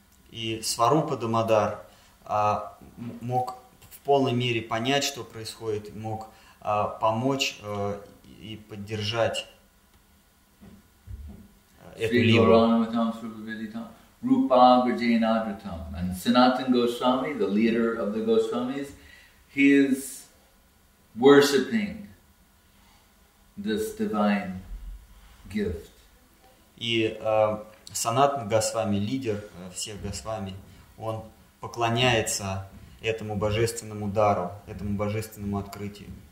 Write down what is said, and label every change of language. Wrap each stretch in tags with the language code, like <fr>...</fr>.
<ru>И Сварупа Дамодар мог в полной мере понять, что происходит, мог помочь и поддержать эту лилу.</ru> <sa>Rupa Vrajayanadratam.</sa> <en>And Sanatan Goswami, the leader of the Goswamis, he is worshipping this divine gift.</en> <ru>И Санатан Госвами, лидер всех Госвами, он поклоняется этому божественному дару, этому божественному открытию.</ru>